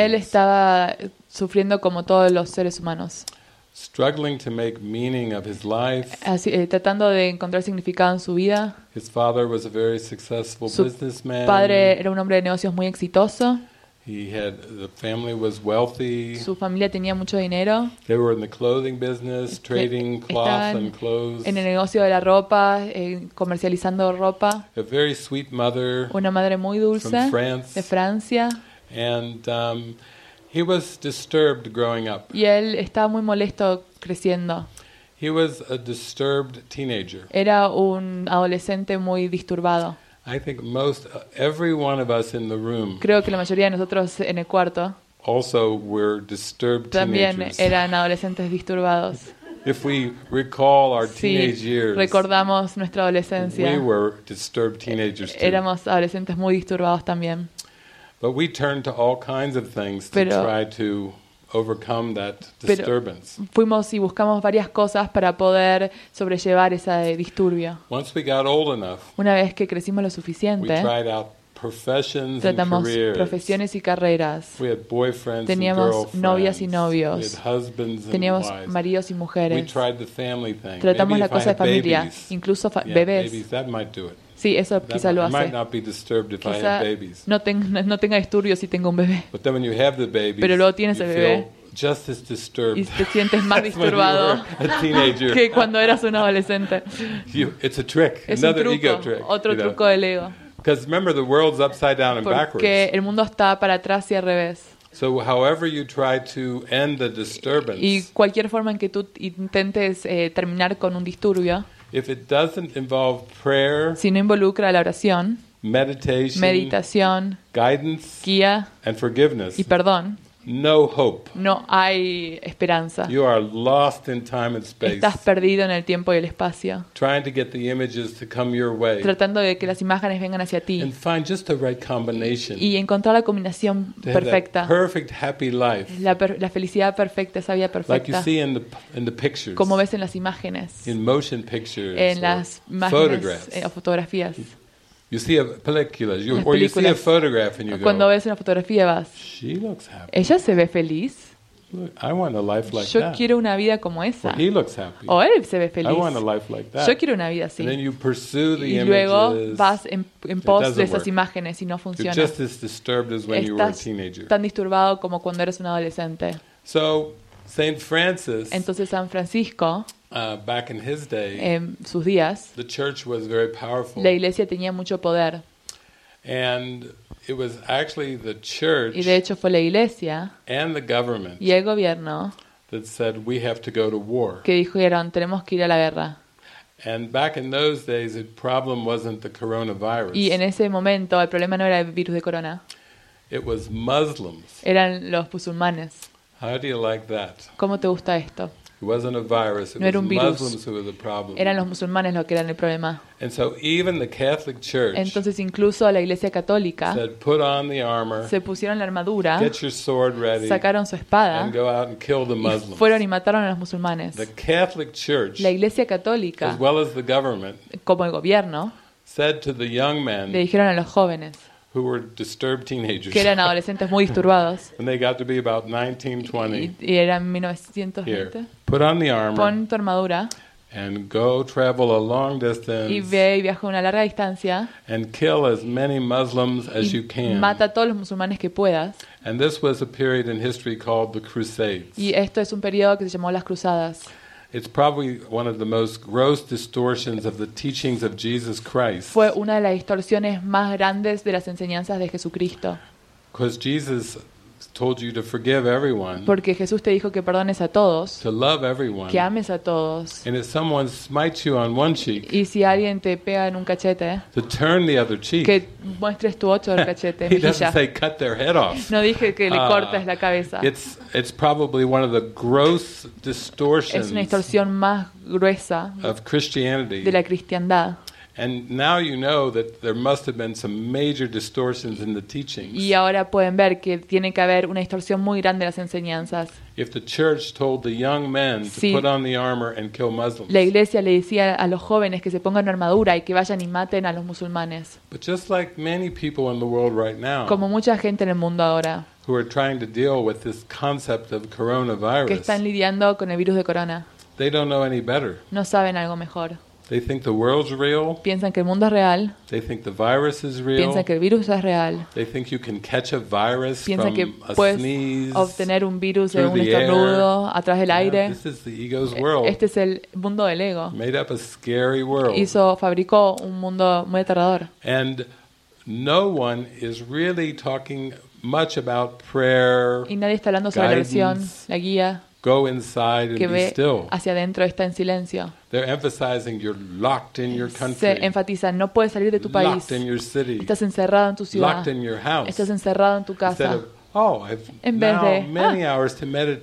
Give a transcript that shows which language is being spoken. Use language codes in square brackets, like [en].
[es] Él estaba sufriendo como todos los seres humanos. [en] Struggling to make meaning of his life. [es] Así, tratando de encontrar significado en su vida. [en] His father was a very successful businessman. [es] Su padre era un hombre de negocios muy exitoso. [en] He had the family was wealthy. [es] Su familia tenía mucho dinero. [en] They were in the clothing business, trading cloth and clothes. [es] En el negocio de la ropa, comercializando ropa. [en] A very sweet mother. [es] Una madre muy dulce. [en] From France. [es] De Francia. [en] And he was disturbed growing up. [es] Y él estaba muy molesto creciendo. [en] He was a disturbed teenager. [es] Era un adolescente muy disturbado. [en] I think most every one of us in the room. [es] Creo que la mayoría de nosotros en el cuarto. [en] Also, we're disturbed teenagers. [es] También eran adolescentes disturbados. [en] If we recall our teenage years. [es] Sí, recordamos nuestra adolescencia. [en] We were disturbed teenagers too. [es] Éramos adolescentes muy disturbados también. [en] But we turned to all kinds of things to try to overcome that disturbance. [es] Fuimos y buscamos varias cosas para poder sobrellevar esa disturbio. [en] Once we got old enough, [es] una vez que crecimos lo suficiente, [en] we tried out professions [es] tratamos [en] and careers. [es] Profesiones y carreras. [en] We had boyfriends [es] teníamos [en] and girlfriends. [es] Novias y novios. [en] We had husbands [es] teníamos [en] and wives. [es] Maridos y mujeres. [en] We tried the family thing. [es] Tratamos [en] maybe [es] la cosa de familia, incluso bebés. [en] Babies, that might do it. [es] Sí, eso [en] that [es] quizá lo hace. [en] Might not be disturbed if [es] quizá [en] I had babies. [es] No tenga disturbios si tengo un bebé. [en] But then when you have the babies, [es] pero luego tienes [en] you [es] el bebé. [en] Just as disturbed. [es] Y te sientes más disturbado que cuando eras un adolescente. [en] It's a trick. [es] Es [en] another [es] un truco, [en] ego trick, [es] otro truco, [en] you know, [es] del ego. [en] Because remember, the world's upside down and [es] porque [en] backwards. [es] Porque el mundo está para atrás y al revés. [en] So however you try to end the disturbance. [es] Y cualquier forma en que tú intentes terminar con un disturbio. [en] If it doesn't involve prayer. [es] Si no involucra la oración. [en] Meditation. [es] Meditación. [en] Guidance. [es] Guía. [en] And forgiveness. [es] Y perdón. [en] No hope. [es] No hay esperanza. [en] You are lost in time and space. [es] Estás perdido en el tiempo y el espacio. [en] Trying to get the images to come your way. [es] Tratando de que las imágenes vengan hacia ti. [en] And find just the right combination. [es] Y encontrar la combinación perfecta. [en] That perfect happy life. [es] La felicidad perfecta, esa vida perfecta. [en] Like you see in the pictures. [es] Como ves en las imágenes. [en] In motion pictures. [es] En las imágenes. [en] Photographs. [es] O fotografías. [en] You see a película, or you see a photograph, and you go. [es] Cuando ves una fotografía vas. [en] She looks happy. [es] Ella se ve feliz. [en] Look, I want a life like [es] yo [en] that. [es] Yo quiero una vida como esa. [en] Or he looks happy. [es] O él se ve feliz. [en] I want a life like that. [es] Yo quiero una vida así. [en] And then you pursue the images. [es] Y luego vas en pos de esas imágenes y no funciona. [en] You're just as disturbed as when [es] estás [en] you were a teenager. [es] Tan disturbado como cuando eres un adolescente. [en] So, Saint Francis. [es] Entonces San Francisco. [en] Back in his day, [es] en sus días, [en] the church was very powerful. [es] La iglesia tenía mucho poder. [en] And it was actually the church [es] y de hecho fue la iglesia [en] and the government [es] y el gobierno [en] that said we have to go to war. [es] Que dijeron tenemos que ir a la guerra. [en] And back in those days, the problem wasn't the coronavirus. [es] Y en ese momento el problema no era el virus de corona. [en] It was Muslims. [es] Eran los musulmanes. [en] How do you like that? [es] ¿Cómo te gusta esto? [en] It wasn't a virus. It [es] no [en] was virus. Muslims who were the problem. [es] Eran los musulmanes los que eran el problema. [en] And so even the Catholic Church. [es] Entonces incluso la Iglesia Católica. [en] Said, put on the armor. [es] Se pusieron la armadura. [en] Get your sword ready. [es] Sacaron su espada. [en] And go out and kill the Muslims. [es] Y fueron y mataron a los musulmanes. [en] The Catholic Church. [es] La Iglesia Católica. [en] As well as the government. [es] Como el gobierno. [en] Said to the young men. [es] Le dijeron a los jóvenes. [en] Who were disturbed teenagers. [es] Que eran adolescentes muy disturbados. [en] And they got to be about 19, 20. [es] Y eran 1920. [en] Here, put on the armor. [es] Pon tu armadura. [en] And go travel a long distance. [es] Y ve y viaja una larga distancia. [en] And kill as many Muslims as you can. [es] Mata a todos los musulmanes que puedas. [en] And this was a period in history called the Crusades. [es] Y esto es un periodo que se llamó las Cruzadas. [en] It's probably one of the most gross distortions of the teachings of Jesus Christ. [es] Fue una de las distorsiones más grandes de las enseñanzas de Jesucristo. [en] Because Jesus told you to forgive everyone. [es] Porque Jesús te dijo que perdones a todos. [en] To love everyone. [es] Que ames a todos. [en] And if someone smites you on one cheek. [es] Y si alguien te pega en un cachete. [en] To turn the other cheek. [es] Que muestres tu otro cachete. [en] He doesn't say cut their head off. [es] No dije que le cortes la cabeza. [en] It's probably one of the gross distortions. [es] Es una distorsión más gruesa. [en] Of Christianity. [es] De la cristiandad. [en] And now you know that there must have been some major distortions in the teachings. [es] Y ahora pueden ver que tiene que haber una distorsión muy grande en las enseñanzas. [en] If the church told the young men [es] si [en] to put on the armor and kill Muslims. [es] La iglesia le decía a los jóvenes que se pongan armadura y que vayan y maten a los musulmanes. [en] But just like many people in the world right now. [es] Como mucha gente en el mundo ahora. [en] Who are trying to deal with this concept of coronavirus. [es] Que están lidiando con el virus de corona. [en] They don't know any better. [es] No saben algo mejor. [en] They think the world's real. [es] Piensan que el mundo es real. [en] They think the virus is real. [es] Piensan que el virus es real. [en] They think you can catch a virus [es] piensan que [en] a sneeze. [es] Obtener un virus de un estornudo a través del aire. [en] This is the ego's world. [es] Este es el mundo del ego. [en] Made up a scary world. [es] Fabricó un mundo muy aterrador. [en] And no one is really talking much about prayer. [es] Y nadie está hablando sobre la oración, la guía. [en] Go inside and be still. [es] Hacia adentro está en silencio. [en] They're emphasizing you're locked in your country. [es] Se enfatiza, no puedes salir de tu país. [en] Locked in your city. [es] Estás encerrado en tu ciudad. [en] Locked in your house. [es] Estás encerrado en tu casa. [en] Instead of, oh, I've now many hours to meditate.